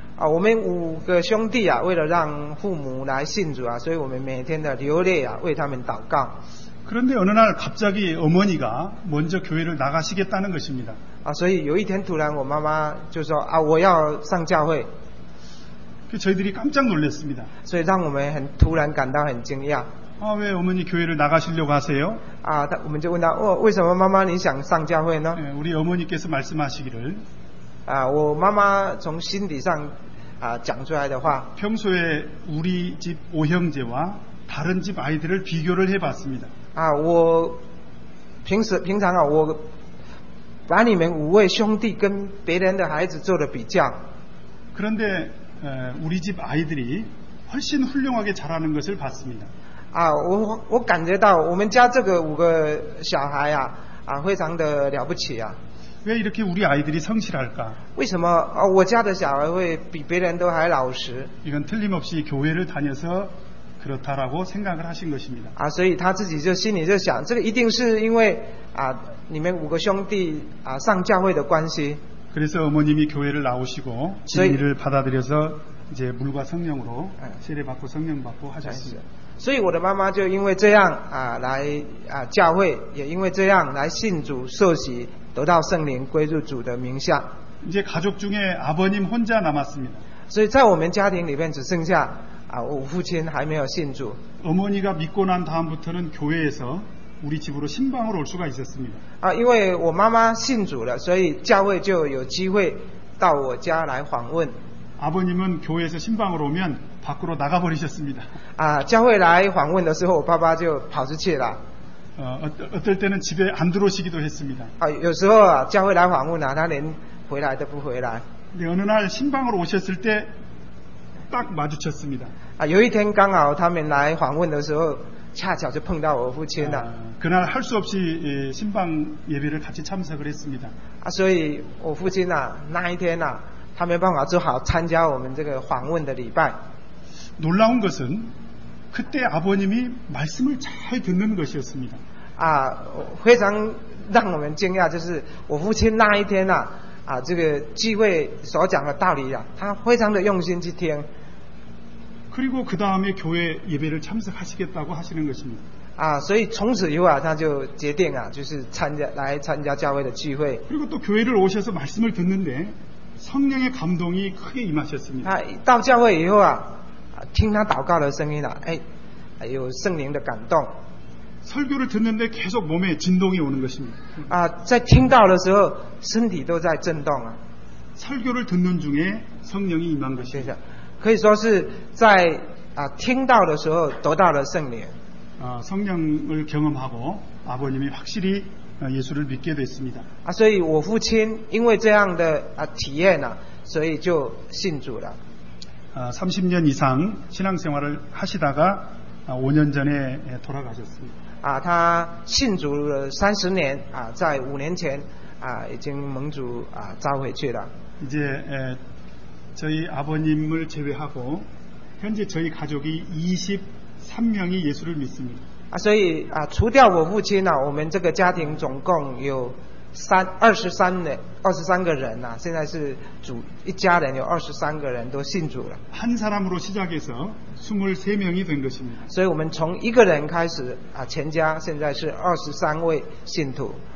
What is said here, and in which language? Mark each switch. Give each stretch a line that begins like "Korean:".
Chinese: 아我们五个兄弟啊为了让父母来信主啊所以我们每天的流泪啊为他们祷告
Korean: 그런데어느날갑자기어머니가먼저교회를나가시겠다는것입니다
Chinese: 아所以有一天突然我妈妈就说啊我要上教会
Korean: 저희들이깜짝놀랐습니다
Chinese: 所以让我们很突然感到很惊讶
Korean: 아왜어머니교회를나가시려고하세요
Chinese: 아我们就问他哦为什么妈妈你想上教会呢
Korean: 우리어머니께서말씀하시기를
Chinese: 아我妈妈从心底上啊讲出来的话
Korean: 평소에우리집오형제와다른집아이들을비교를해봤습니다
Chinese: 아我平常啊我把你们五位兄弟跟别人的孩子做了比较
Korean: 그런데우리집아이들이훨씬훌륭하게자라는것을봤습니다
Chinese: 아我感觉到我们家这个五个小孩啊啊非常的了不起啊
Korean: 왜이렇게우리아이들이성실할까
Chinese: 为什么我家的小孩会比别人都还老实
Korean: 이건틀림없이교회를다녀서그렇다라고생각을하신것입니다
Chinese: 아所以他自己就心里就想这个一定是因为啊你们五个兄弟啊上教会的关系
Korean: 그래서어머님이교회를나오시고진리를받아들여서이제물과성령으로세례받고성령받고하셨습니다
Chinese: 所以我的妈妈就因为这样啊来啊教会，也因为这样来信主受洗，得到圣灵归入主的名下。
Korean: 이제가족중에아버님혼자남았습니다
Chinese: 所以在我们家庭里面只剩下啊我父亲还没有信主。
Korean: 어머니가믿고난다음부터는교회에서우리집으로신방으로올수가있었습니다
Chinese: 啊因为我妈妈信主了，所以教会就有机会到我家来访问。
Korean: 아버님은교회에서신방으로오면밖으로나가버리셨습니다
Chinese: 아教会来访问的时候我爸爸就跑出去
Korean: 了 어떨때는집에안들어오시기도했습니다
Chinese: 아有时候教会来访问他连回来都不回来
Korean: 어느날신방으로오셨을때딱마주쳤습니다
Chinese: 아有一天刚好他们来访问的时候恰巧就碰到我父亲了
Korean: 그날할수없이신방예배를같이참석을했습니다
Chinese: 아所以我父亲啊那一天啊他没办法做好参加我们这个访问的礼拜
Korean: 놀라운것은그때아버님이말씀을잘듣는것이었습니다
Chinese: 아非常让我们惊讶就是我父亲那一天 啊这个聚会所讲的道理啊他非常的用心去听
Korean: 그리고그다음에교회예배를참석하시겠다고하시는것입니다
Chinese: 아所以从此以后啊他就决定啊就是参加来参加教会的聚会
Korean: 그리고또교회를오셔서말씀을듣는데성령의감동이크게임하셨습니다
Chinese: 到教会以后啊听他祷告的声音啊有圣灵的感动
Korean: 설교를듣는데계속몸에진동이오는것입니다
Chinese: 啊在听到的时候身体都在震动啊
Korean: 설교를듣는중에성령이임한것입니다
Chinese: 可以说是在啊听到的时候得到了圣灵
Korean: 啊성령을경험하고아버님이확실히예수를믿게됐습니다
Chinese: 아所以我父亲因为这样的啊体验啊所以就信主了
Korean: 30년이상신앙생활을하시다가5년전에돌아가셨습니다
Chinese: 아他信主了30년啊在5年前啊已经蒙主啊召回去了
Korean: 이제저희아버님을제외하고현재저희가족이23명이예수를믿습니다
Chinese: 啊所以啊除掉我父亲呢我们这个家庭总共有23个人啊现在是主一家人有23个人都信主了
Korean: 한사람으로시작해서23명이된것입니다
Chinese: 所以我们从一个人开始啊全家现在是23位信徒